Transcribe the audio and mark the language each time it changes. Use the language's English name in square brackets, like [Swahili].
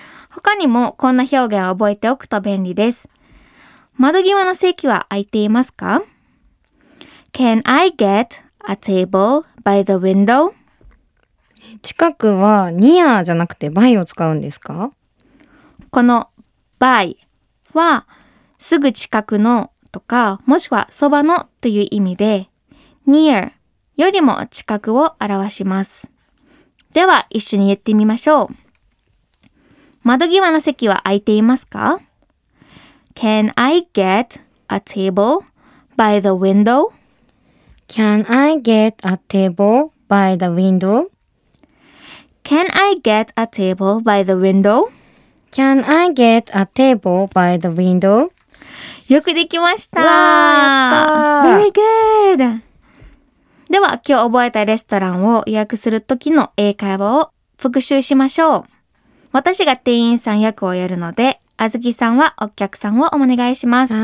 [Japanese] 他にもこんな表現を覚えておくと便利です。窓際の席は空いていますか? [English] Can I get a table by the window? [Japanese] 近くはニアじゃなくてバイを使うんですか？このバイはすぐ近くのとかもしくはそばのという意味で near よりも近くを表します。では一緒に言ってみましょう。窓際の席は空いていますか？ [English] Can I get a table by the window? Can I get a table by the window Can I get a table by the window? Can I get a table by the window? [Japanese] よくできました。わー、やったー。 [English] Very good! [Japanese] では、今日覚えたレストランを予約するときの英会話を復習しましょう。私が店員さん役をやるので、あずきさんはお客さんをお願いします。